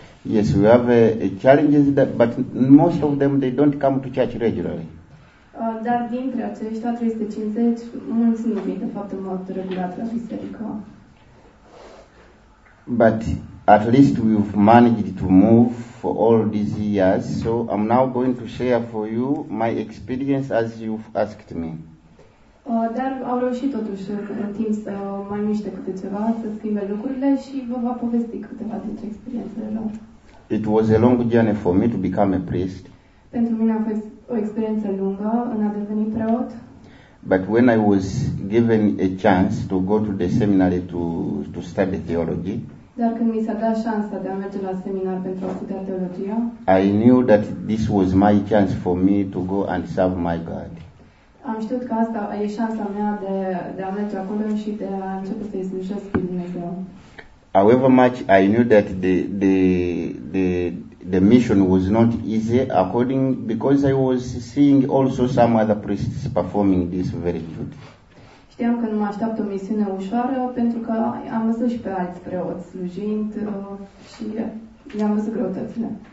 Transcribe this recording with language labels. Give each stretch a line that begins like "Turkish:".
English: Yes, we have challenges, but most of them, they don't come to church regularly.
Romanian: Dar dintre aceștia, 350, mulți nu vin, de fapt, în mod regulat la biserică.
English: But at least we've managed to move for all these years, so I'm now going to share for you my experience as you've asked me.
Romanian: Dar au reușit totuși în timp să mai miște câte ceva, să schimbe lucrurile și vă va povesti câteva dintre experiențele lor.
English: It was a long journey for me to become a priest.
Romanian: Pentru mine a fost o experiență lungă în a deveni preot.
English: But when I was given a chance to go to the seminary to study theology,
Romanian: dar când mi s-a dat șansa de a merge la seminar pentru a studia teologia,
English: I knew that this was my chance for me to go and serve my God.
Romanian: Am știut că asta e șansa mea de a merge acolo și de a începe să-i slujesc pe Dumnezeu.
English: However much I knew that the the mission was not easy, according, because I was seeing also some other priests performing this very duty.
Romanian: Știam că nu mă așteaptă o misiune ușoară, pentru că am văzut și pe alți preoți slujind și le-am văzut greutățile.